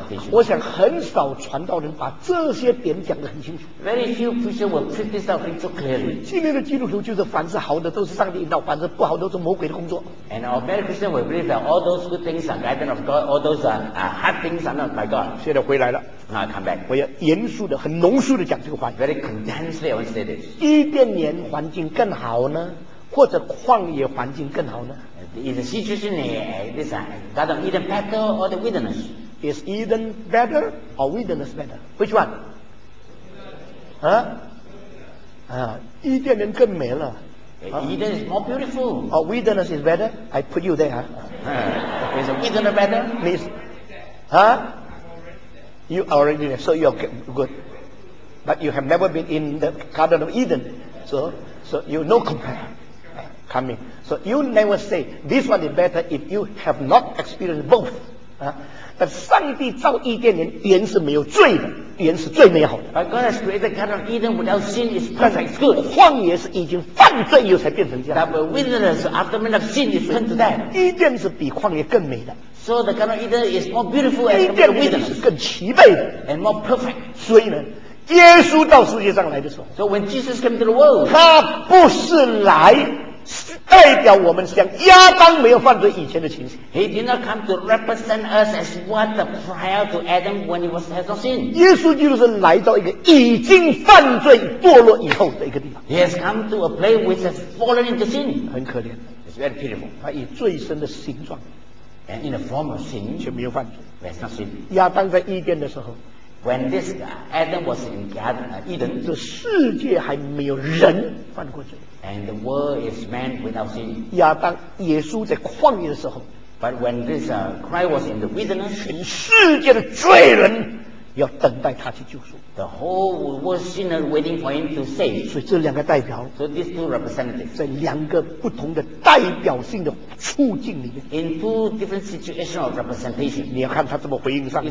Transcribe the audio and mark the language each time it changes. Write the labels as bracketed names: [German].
[Chinese] 我想很少传道人把这些点讲得很清楚。 [English] Very few preachers will preach this out so clearly. [Chinese] 今天的基督徒就是凡是好的都是上帝引导，凡是不好的都是魔鬼的工作。 [English] And our very Christian will believe that all those good things are guidance of God, all those are hard things are not by God. [Chinese] 现在回来了。 [English] Now I come back. [Chinese] 我要严肃的、很浓缩的讲这个话。 [English] Very condensedly I want to say this. [Chinese] 伊甸园环境更好呢，或者旷野环境更好呢？ [English] Is the situation this Garden of Eden better or the wilderness? Is Eden better or wilderness better? Which one? [Chinese] 啊啊，伊甸园更美了。 [English] Eden is more beautiful. Or wilderness is better? I put you there. Is the wilderness better? Miss, huh? You already there, so you're good. But you have never been in the Garden of Eden, so you no compare. Coming. So you never say this one is better if you have not experienced both. [Chinese] But 上帝造伊甸园，原是没有罪的，原是最美好的。 [English] But God has created the Garden of Eden without sin is perfect, good. [Chinese] 旷野是已经犯罪又才变成这样。 [English] That the wilderness after man of sin is turned to that. [Chinese] 伊甸是比旷野更美的。 [English] So the Garden of Eden is more beautiful and compared to the wilderness. [Chinese] 伊甸园是更齐备的。 [English] And more perfect. [Chinese] 所以呢？耶稣到世界上来的时候 [English] ，So when Jesus came to the world, [Chinese] 他不是来代表我们像亚当没有犯罪以前的情形。 [English] He did not come to represent us as what the prior to Adam when he was has no sin. [Chinese] 耶稣基督是来到一个已经犯罪堕落以后的一个地方。 [English] He has come to a place which has fallen into sin. [Chinese] 很可怜。 [English] It's very pitiful. [Chinese] 他以最深的形状 [English] ，and in a form of sin, [Chinese] 却没有犯罪。 [English] Has no sin. [Chinese] 亚当在伊甸的时候。 [English] When this Adam was in Garden Eden, [Chinese] 这世界还没有人犯过罪。 [English] And the world is man without sin. [Chinese] 亚当，耶稣在旷野的时候。 [English] But when this Christ was in the wilderness, [Chinese] 全世界的罪人要等待他去救赎。 [English] The whole world sinner waiting for him to save. [Chinese] 所以这两个代表。 [English] So these two representatives. [Chinese] 在两个不同的代表性的处境里面。 [English] In two different situations of representation. [Chinese] 你要看他怎么回应上帝。